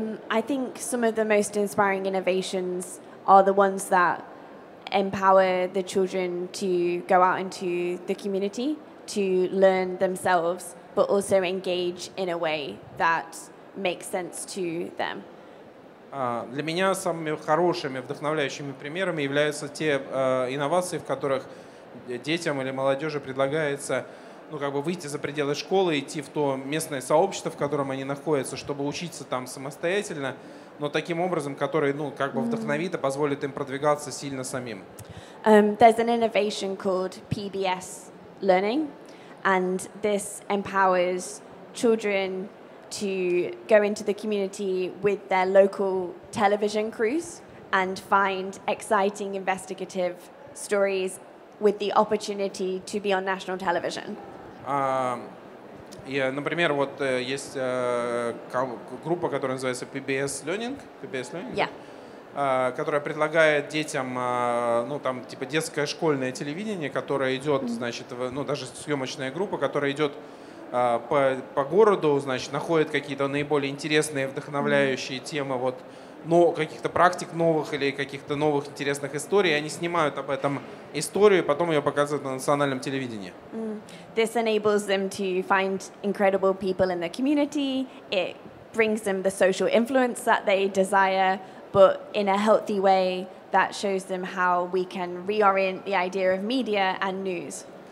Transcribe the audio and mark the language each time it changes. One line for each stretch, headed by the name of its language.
English: I think some of the most inspiring innovations are the ones that empower the children to go out into the community to learn themselves, but also engage in a way that makes sense to them.
Russian: Для меня самыми хорошими, вдохновляющими примерами являются те инновации, в которых детям или молодежи предлагается ну, как бы выйти за пределы школы, идти в то местное сообщество, в котором они находятся, чтобы учиться там самостоятельно, но таким образом, который, ну, как бы вдохновит и позволит им продвигаться сильно самим.
English: There's an innovation called PBS Learning, and this empowers children to go into the community with their local television crews and find exciting investigative stories with the opportunity to be on national television.
Russian: Например, вот есть группа, которая называется PBS Learning.
English: Yeah.
Russian: которая предлагает детям, ну, там, типа, детское школьное телевидение, которое идет, значит, ну, даже съемочная группа, которая идет по городу, значит, находит какие-то наиболее интересные, вдохновляющие темы, вот, но каких-то практик новых или каких-то новых интересных историй, они снимают об этом историю, и потом ее показывают на национальном телевидении.
English: This enables them to find incredible people in the community. It brings them the social influence that they desire, but in a healthy way that shows them how we can reorient the idea of media and news.